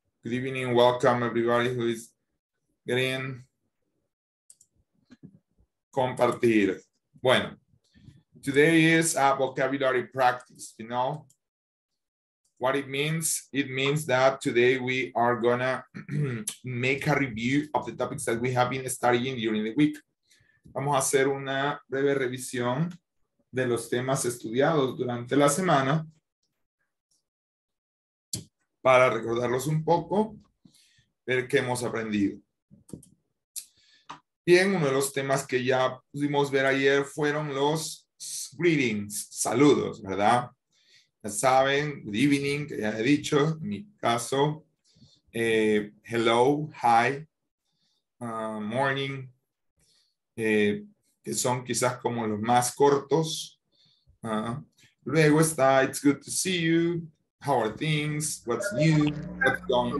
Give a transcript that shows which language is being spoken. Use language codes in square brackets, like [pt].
[en] Good evening, welcome everybody who is getting compartir. [es] Bueno, [en] Today is a vocabulary practice, you know? What it means? It means that today we are gonna make a review of the topics that we have been studying during the week. [es] Vamos a hacer una breve revisión de los temas estudiados durante la semana para recordarlos un poco, ver qué hemos aprendido. Bien, uno de los temas que ya pudimos ver ayer fueron los greetings, saludos, ¿verdad? Ya saben, [en] good evening, [es] que ya he dicho, en mi caso, [en] hello, hi, morning, [es] que son quizás como los más cortos. Luego está, [en] it's good to see you, how are things, what's new, what's going on.